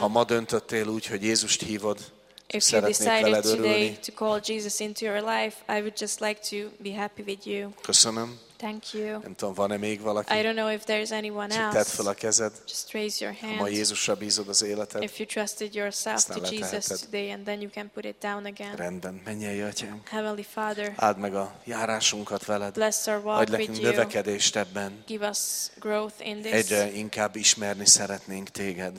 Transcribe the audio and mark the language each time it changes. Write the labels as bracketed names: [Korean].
[Hungarian] Ha ma döntöttél úgy, hogy Jézust hívod, [English] if [Hungarian] szeretnék [English] you decided [Hungarian] veled örülni. [English] Today to call Jesus into your life, I would just like to be happy with you. [Hungarian] Köszönöm. [English] Thank you. [Hungarian] Nem tudom, van-e még valaki? [English] I don't know if there's anyone else. [Hungarian] Tedd fel a kezed. [English] Just raise your hand. [Hungarian] Ha ma Jézusra bízod az életed. [English] If you trusted yourself to Jesus today and then you can put it down again. [Hungarian] Rendben, mennyei Atyám. [English] Heavenly Father. [Hungarian] Áld meg a járásunkat veled. [English] Bless our walk with you. [Hungarian] Adj nekünk növekedést ebben. [English] Give us growth in this. [Hungarian] Egyre inkább ismerni szeretnénk téged.